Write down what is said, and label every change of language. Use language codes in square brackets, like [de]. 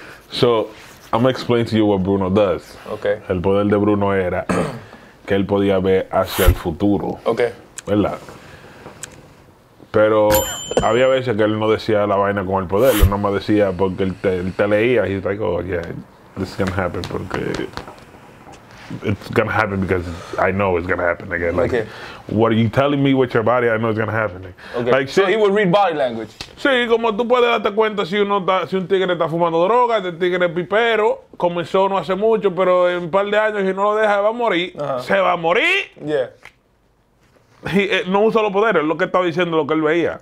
[en] So, I'm gonna explain to you what Bruno does. Okay. [es] El poder de Bruno era que él podía ver hacia el futuro. [en] Okay. [es] ¿Verdad? Pero había veces que él no decía la vaina con el poder. Él nomás decía porque él te leía. [en] He's like, oh yeah, this is gonna happen [es] porque... [en] It's gonna happen because I know it's gonna happen again. Like, okay. What are you telling me with your body? I know it's gonna happen. Okay. Like, so he would read body language. [es] Sí, como tú puedes darte cuenta si un tigre está fumando droga, el tigre es pipero, comenzó no hace mucho, pero en un par de años, si no lo deja, va a morir. Uh-huh. Se va a morir. [en] Yeah. [es] He no usa los poderes, lo que estaba diciendo, lo que él veía.